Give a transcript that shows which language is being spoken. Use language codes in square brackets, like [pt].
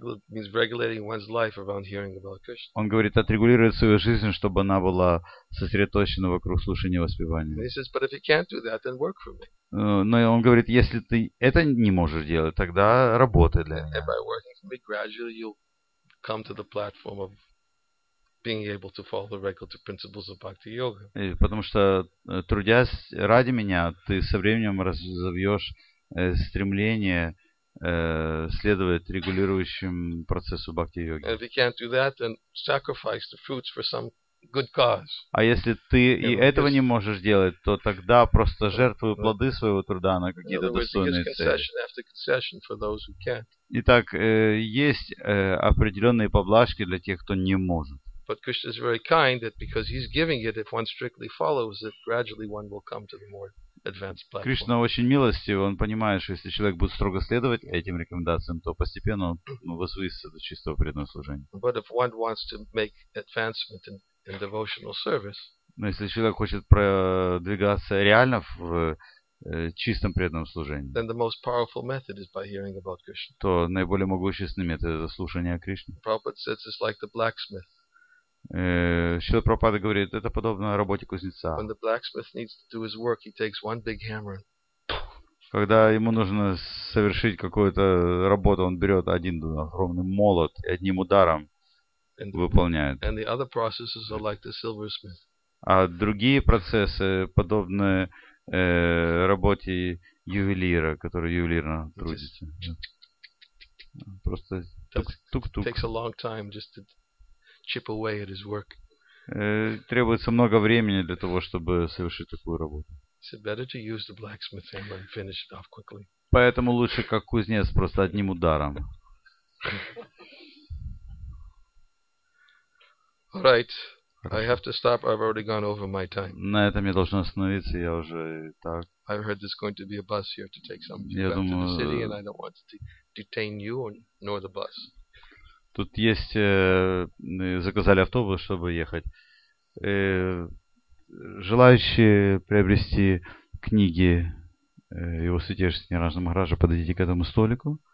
[en] Means regulating one's life around hearing about Krishna. [ru] Он говорит, отрегулировать свою жизнь, чтобы она была сосредоточена вокруг слушания и воспевания. [en] He says, but if you can't do that, then work for me. [ru] Но он говорит, если ты это не можешь делать, тогда работай для меня. [en] And by working for me, gradually you'll come to the platform of being able to follow the regulative principles of bhakti yoga. [ru] Потому что трудясь ради меня, ты со временем разовьешь стремление следовать регулирующим процессу бхакти-йоги. [en] If you can't do that, then sacrifice the fruits for some good cause. [ru] А если ты и этого не можешь делать, то тогда просто жертвуй плоды своего труда на какие-то достойные цели. Итак, есть определенные поблажки для тех, кто не может. [en] But Krishna is very kind that because he's giving it, if one strictly follows it, gradually one will come to the more advanced platform. [ru] Кришна очень милостив, он понимает, что если человек будет строго следовать этим рекомендациям, то постепенно он возвысится до чистого преданного служения. [en] But if one wants to make advancement in devotional service, [ru] но если человек хочет продвигаться реально в чистом преданном служении, [en] then the most powerful method is by hearing about Krishna. [ru] То наиболее могущественный метод – это слушание о Кришне. [en] Prabhupada says it's like the blacksmith. [ru] Шрила Прабхупада говорит, это подобно работе кузнеца. [en] When the blacksmith needs to do his work, he takes one big hammer. [ru] Когда ему нужно совершить какую-то работу, он берет один огромный молот и одним ударом выполняет. [en] And the other processes are like the silversmith. [ru] А другие процессы подобны работе ювелира, который ювелирно трудится. Просто тук-тук-тук. [en] Takes a long time just to chip away at his work. [ru] Требуется много времени для того, чтобы совершить такую работу. [en] So better to use the blacksmith hammer and finish it off quickly. [ru] Поэтому лучше как кузнец просто одним ударом. [en] All right. [ru] Хорошо. [en] I have to stop. I've already gone over my time. [ru] На этом я должен остановиться, я уже так. [en] I heard there's going to be a bus here to take some people back to the city, and I don't want to detain you nor the bus. [ru] Тут есть, заказали автобус, чтобы ехать. Желающие приобрести книги Его Святейшества Нараджа Махараджа, подойдите к этому столику.